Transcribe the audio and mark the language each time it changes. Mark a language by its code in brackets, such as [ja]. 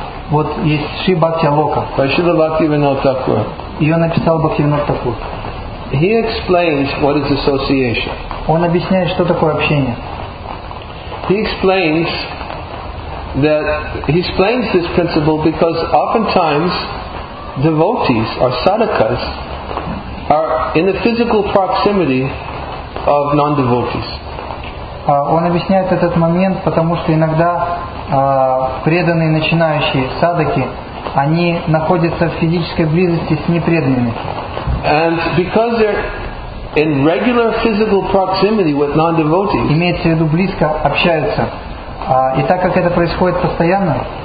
[ru] Вот есть Шри Бхакти Лока. Прашила Бхакти Винод Такур. Ее написал Бхакти Винод Такур. [en] He explains what is association. [ru] Он объясняет, что такое общение. [en] He explains that he explains this principle because oftentimes devotees or sadhakas are in the physical proximity of non-devotees. [ru] Он объясняет этот момент, потому что иногда преданные начинающие садаки, они находятся в физической близости с непреданными. [en] And because they're in regular physical proximity with non-devotees, [ru] имеется в виду близко общаются, и так как это происходит постоянно,